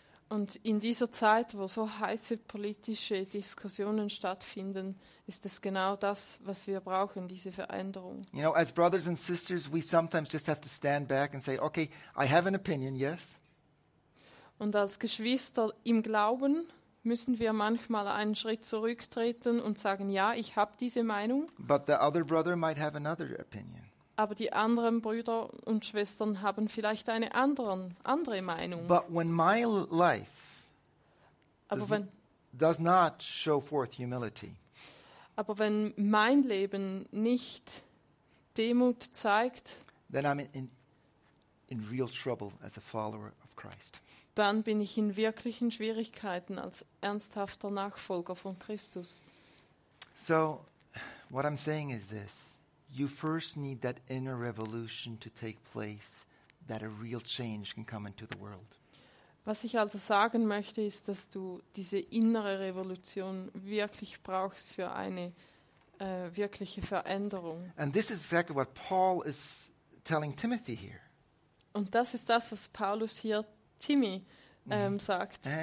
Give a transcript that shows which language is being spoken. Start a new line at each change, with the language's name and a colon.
German: Und in dieser Zeit, wo so heiße politische Diskussionen stattfinden, ist es genau das, was wir brauchen, diese Veränderung.
English: You know, as brothers and sisters, we sometimes just have to stand back and say, okay, I have an opinion, yes.
German: Und als Geschwister im Glauben müssen wir manchmal einen Schritt zurücktreten und sagen, ja, ich habe diese Meinung.
English: But the other brother might have another opinion.
German: Aber die anderen Brüder und Schwestern haben vielleicht eine andere Meinung.
English: But when my life does not show forth humility.
German: Aber wenn mein Leben nicht Demut zeigt,
English: then I'm in real trouble as a follower of Christ.
German: Dann bin ich in wirklichen Schwierigkeiten als ernsthafter Nachfolger von Christus.
English: So, what I'm saying is this. You first need that inner revolution to take place that a real change can come into the world.
German: Was ich also sagen möchte, ist, dass du diese innere Revolution wirklich brauchst für eine wirkliche Veränderung.
English: And this is exactly what Paul is telling Timothy here.
German: Und das ist das, was Paulus hier Timmy sagt.